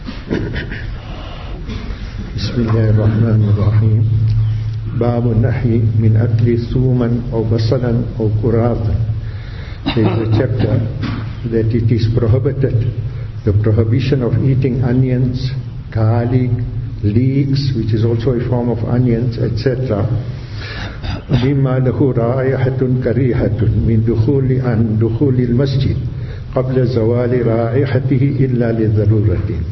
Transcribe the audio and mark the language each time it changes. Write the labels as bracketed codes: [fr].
[ar] بسم الله الرحمن الرحيم باب النهي من أكل ثوما أو بصلا أو كراب. [en] There is a chapter that it is prohibited, the prohibition of eating onions, garlic, leeks, which is also a form of onions, etc. [ar] مما له رائحة كريهة من دخول عن دخول المسجد قبل زوال رائحته إلا للضرورة.